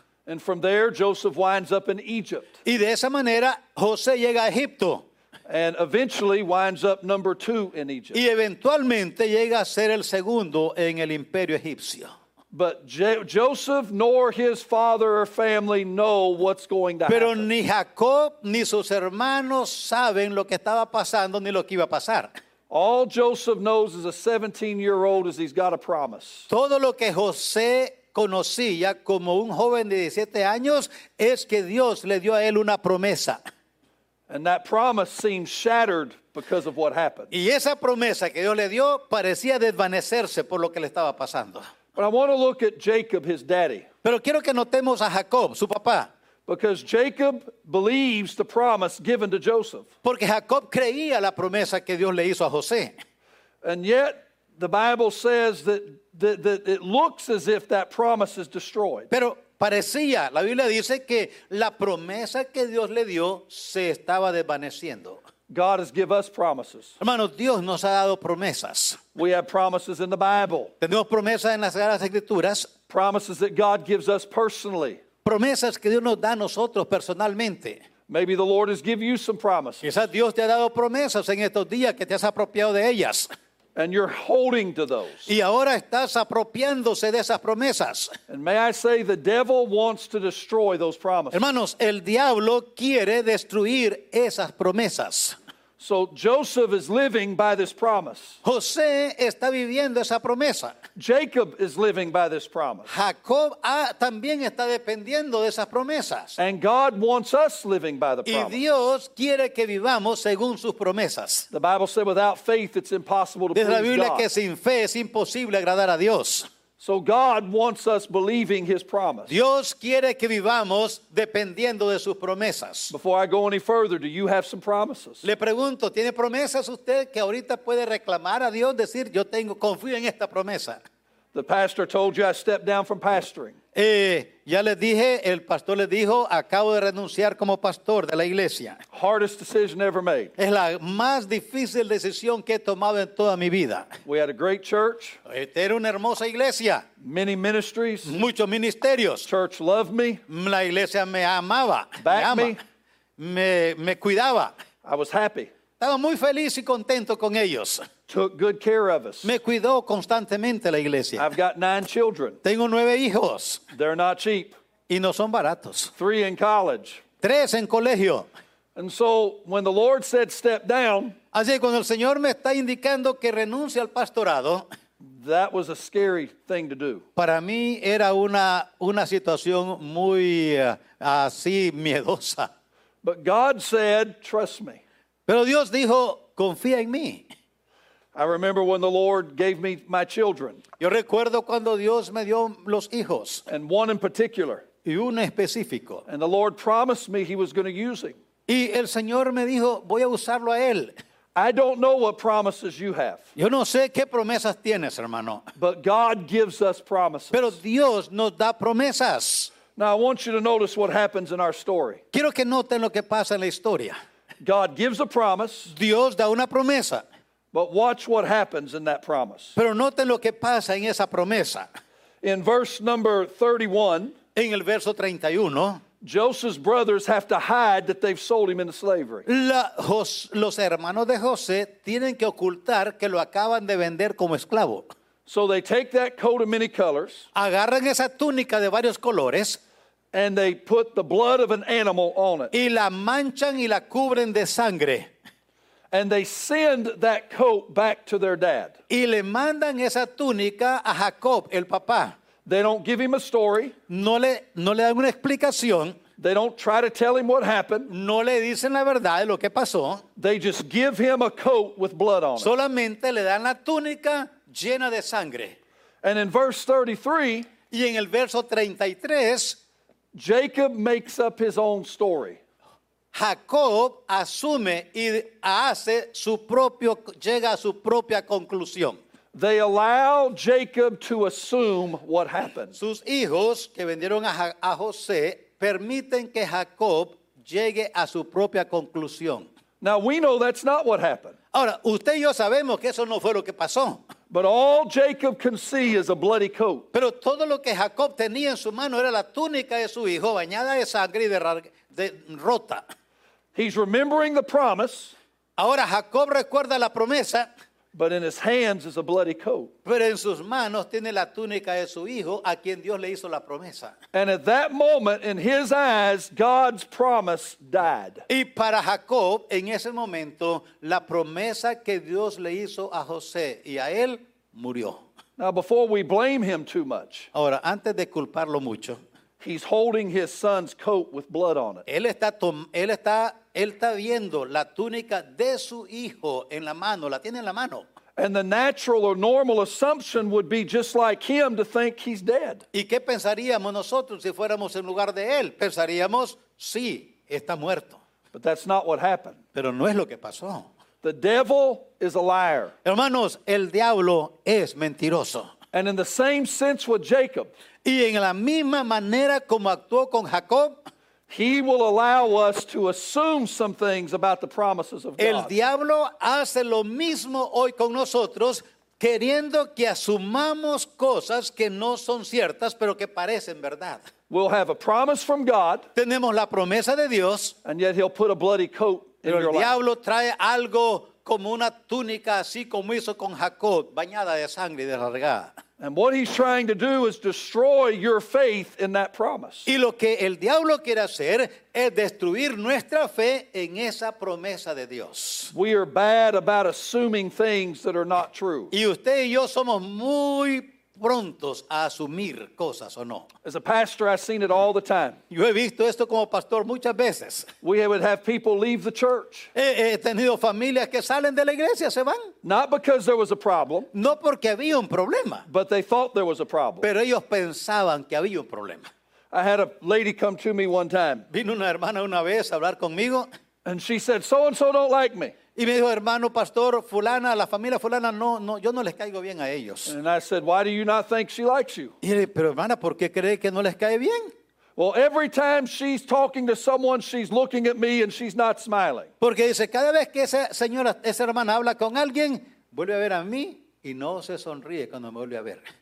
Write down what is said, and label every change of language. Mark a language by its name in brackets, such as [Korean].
[English] And from there, Joseph winds up in Egypt. [Spanish] Y de esa manera, José llega a Egipto. [English] And eventually winds up number two in Egypt. [Spanish] Y eventualmente llega a ser el segundo en el imperio egipcio. [English] But Joseph nor his father or family know what's going to [Spanish] Pero [English] happen. [Spanish] Pero ni Jacob ni sus hermanos saben lo que estaba pasando ni lo que iba a pasar. [English] All Joseph knows as a 17-year-old is he's got a promise. [Spanish] Todo lo que José conocía como un joven de 17 años es que Dios le dio a él una promesa. [English] And that promise seems shattered because of what happened. [Spanish] Y esa promesa que Dios le dio parecía desvanecerse por lo que le estaba pasando. [English] But I want to look at Jacob, his daddy. [Spanish] Pero quiero que notemos a Jacob, su papá. [English] Because Jacob believes the promise given to Joseph. [Spanish] Porque Jacob creía la promesa que Dios le hizo a José. [English] And yet, the Bible says that it looks as if that promise is destroyed. [Spanish] Pero parecía, la Biblia dice que la promesa que Dios le dio se estaba desvaneciendo. [English] God has given us promises. [Spanish] Hermanos, Dios nos ha dado promesas. [English] We have promises in the Bible. [Spanish] Tenemos promesas en las Sagradas Escrituras. [English] Promises that God gives us personally. [Spanish] Promesas que Dios nos da a nosotros personalmente. [English] Maybe the Lord has given you some promises. [Spanish] Quizás Dios te ha dado promesas en estos días que te has apropiado de ellas. [English] And you're holding to those. [Spanish] Y ahora estás apropiándose de esas promesas. [English] And may I say, the devil wants to destroy those promises. [Spanish] Hermanos, el diablo quiere destruir esas promesas. [English] So Joseph is living by this promise. [Spanish] José está viviendo esa promesa. [English] Jacob is living by this promise. [Spanish] Jacob también está dependiendo de esas promesas. [English] And God wants us living by the promise. [Spanish] Y Dios quiere que vivamos según sus promesas. [English] The Bible says without faith it's impossible to please God. [Spanish] Dice la Biblia que sin fe es imposible agradar a Dios. [English] So God wants us believing his promise. [Spanish] Dios quiere que vivamos dependiendo de sus promesas. [English] Before I go any further, do you have some promises? [Spanish] Le pregunto, ¿tiene promesas usted que ahorita puede reclamar a Dios, decir, yo tengo, confío en esta promesa? [English] The pastor told you I stepped down from pastoring. [Spanish] Ya les dije, el pastor les dijo, acabo de renunciar como pastor de la iglesia. [English] Hardest decision ever made. [Spanish] Es la más difícil decisión que he tomado en toda mi vida. [English] We had a great church. [Spanish] Era una hermosa iglesia. [English] Many ministries. [Spanish] Muchos ministerios. [English] Church loved me. [Spanish] La iglesia me amaba. [English] Backed me. [Spanish] me cuidaba. [English] I was happy. [Spanish] Estaba muy feliz y contento con ellos. [English] Took good care of us. [Spanish] Me cuidó constantemente la iglesia. [English] I've got 9 children. [Spanish] Tengo 9 hijos. [English] They're not cheap. [Spanish] Y no son baratos. [English] 3 in college. [Spanish] 3 en colegio. [English] And so when the Lord said step down, [Spanish] así cuando el Señor me está indicando que renuncie al pastorado, [English] that was a scary thing to do. [Spanish] Para mí era una situación muy así miedosa. [English] But God said, trust me. [Spanish] Pero Dios dijo, confía en mí. [English] I remember when the Lord gave me my children. [Spanish] Yo recuerdo cuando Dios me dio los hijos. [English] And one in particular. [Spanish] Y uno específico. [English] And the Lord promised me he was going to use him. [Spanish] Y el Señor me dijo, voy a usarlo a él. [English] I don't know what promises you have. [Spanish] Yo no sé qué promesas tienes, hermano. [English] But God gives us promises. [Spanish] Pero Dios nos da promesas. [English] Now I want you to notice what happens in our story. [Spanish] Quiero que noten lo que pasa en la historia. [English] God gives a promise. [Spanish] Dios da una promesa. [English] But watch what happens in that promise. [Spanish] Pero noten lo que pasa en esa promesa. [English] In verse number 31. [Spanish] En el verso 31. [English] Joseph's brothers have to hide that they've sold him into slavery. [Spanish] Los hermanos de José tienen que ocultar que lo acaban de vender como esclavo. [English] So they take that coat of many colors. [Spanish] Agarran esa túnica de varios colores. [English] And they put the blood of an animal on it. [Spanish] Y la manchan y la cubren de sangre. [English] And they send that coat back to their dad. [Spanish] Y le mandan esa túnica a Jacob, el papá. [English] They don't give him a story. [Spanish] No le dan una explicación. [English] They don't try to tell him what happened. [Spanish] No le dicen la verdad de lo que pasó. [English] They just give him a coat with blood on it. [Spanish] Solamente le dan la túnica llena de sangre. [English] And in verse 33, [Spanish] y en el verso 33, [English] Jacob makes up his own story. [Spanish] Jacob asume y hace su propio, llega a su propia conclusión. [English] They allow Jacob to assume what happened. [Spanish] Sus hijos que vendieron a José permiten que Jacob llegue a su propia conclusión. [English] Now we know that's not what happened. [Spanish] Ahora, usted y yo sabemos que eso no fue lo que pasó. [English] But all Jacob can see is a bloody coat. [Spanish] Pero todo lo que Jacob tenía en su mano era la túnica de su hijo bañada de sangre y de rota. [English] He's remembering the promise. [Spanish] Ahora Jacob recuerda la promesa. [English] But in his hands is a bloody coat. [Spanish] Pero en sus manos tiene la túnica de su hijo a quien Dios le hizo la promesa. [English] And at that moment, in his eyes, God's promise died. [Spanish] Y para Jacob, en ese momento, la promesa que Dios le hizo a José y a él murió. [English] Now, before we blame him too much, [Spanish] ahora, antes de culparlo mucho, [English] he's holding his son's coat with blood on it. [Spanish] Él está viendo la túnica de su hijo en la mano, la tiene en la mano. [English] And the natural or normal assumption would be just like him to think he's dead. [Spanish] ¿Y qué pensaríamos nosotros si fuéramos en lugar de él? Pensaríamos, sí, está muerto. [English] But that's not what happened. [Spanish] Pero no es lo que pasó. [English] The devil is a liar. [Spanish] Hermanos, el diablo es mentiroso. [English] And in the same sense with Jacob. [Spanish] Y en la misma manera como actuó con Jacob, [English] he will allow us to assume some things about the promises of God. [Spanish] El diablo hace lo mismo hoy con nosotros, queriendo que asumamos cosas que no son ciertas, pero que parecen verdad. [English] We'll have a promise from God. [Spanish] Tenemos la promesa de Dios. [English] And yet he'll put a bloody coat in your life. [Spanish] El diablo trae algo como una túnica, así como hizo con Jacob, bañada de sangre y de rasgada. [English] And what he's trying to do is destroy your faith in that promise. [Spanish] Y lo que el diablo quiere hacer es destruir nuestra fe en esa promesa de Dios. [English] We are bad about assuming things that are not true. [Spanish] Y usted y yo somos muy prontos a asumir cosas o no. [English] As a pastor, I've seen it all the time. [Spanish] Yo he visto esto como pastor muchas veces. [English] We would have people leave the church. [Spanish] He tenido familias que salen de la iglesia, se van. [English] Not because there was a problem. [Spanish] No porque había un problema. [English] But they thought there was a problem. [Spanish] Pero ellos pensaban que había un problema. [English] I had a lady come to me one time. [Spanish] Vino una hermana una vez a hablar conmigo. [English] And she said, so and so don't like me. [Spanish] Y me dijo, hermano, pastor, fulana, la familia fulana, no, yo no les caigo bien a ellos. [English] And I said, why do you not think she likes you? [Spanish] Y le dije, pero hermana, ¿por qué cree que no les cae bien? [English] Well, every time she's talking to someone, she's looking at me and she's not smiling. [Spanish] Porque dice, cada vez que esa señora, esa hermana habla con alguien, vuelve a ver a mí y no se sonríe cuando me vuelve a ver.